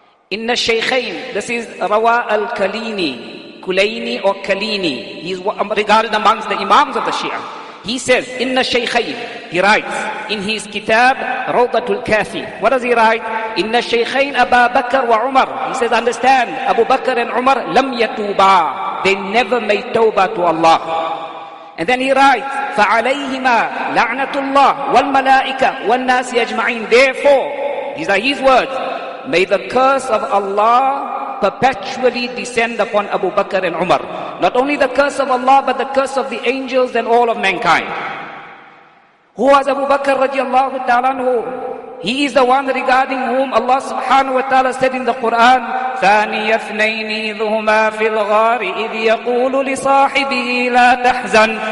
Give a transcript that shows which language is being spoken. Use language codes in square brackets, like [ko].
[en] Inna shaykhain, this is Rawa al-Kalini, Kulaini or Kalini, he is regarded amongst the imams of the Shia. He says, Inna shaykhain, he writes in his kitab, Rawdatul Kafi. What does he write? Inna shaykhain Abu Bakr wa Umar. He says, understand, Abu Bakr and Umar, lam yatuba, they never made tawbah to Allah. And then he writes, [ar] فَعَلَيْهِمَا لَعْنَةُ اللَّهِ وَالْمَلَائِكَةِ وَالنَّاسِ أَجْمَعِينَ. [en] Therefore, these are his words, may the curse of Allah perpetually descend upon Abu Bakr and Umar. Not only the curse of Allah, but the curse of the angels and all of mankind. Who was Abu Bakr radiallahu ta'ala anhu? He is the one regarding whom Allah subhanahu wa ta'ala said in the Quran, [ar] ثاني اثنين إذ هما في الغار إذ يقول لصاحبه لا تحزن.